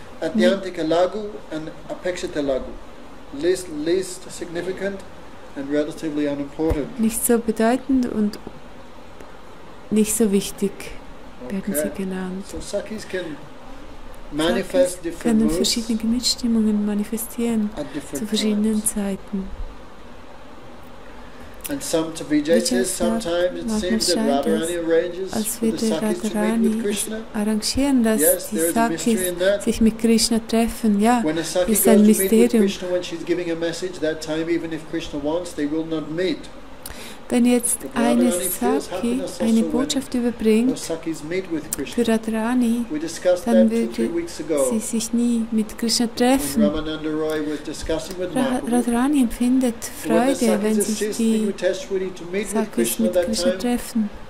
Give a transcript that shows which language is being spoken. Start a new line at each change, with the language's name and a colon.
English: Adhyantika Lagu und Apekshita Lagu. Least significant and relatively unimportant.
German: Nicht so bedeutend und nicht so wichtig, werden sie genannt.
English: So Sakis can manifest
German: Sakis können verschiedene Gemütsstimmungen manifestieren zu verschiedenen Zeiten.
English: And some to Vijay says sometimes it seems that Radharani arranges for the Sakis to meet with Krishna.
German: Arrangieren, dass die Sakis sich mit Krishna treffen. Ja, ist ein Mysterium.
English: When she's giving a message, that time even if Krishna wants, they will not meet.
German: Wenn jetzt eine Saki eine Botschaft überbringt für Radharani, dann würde sie sich nie mit Krishna treffen. Radharani empfindet Freude, wenn sich die Sakis mit Krishna treffen.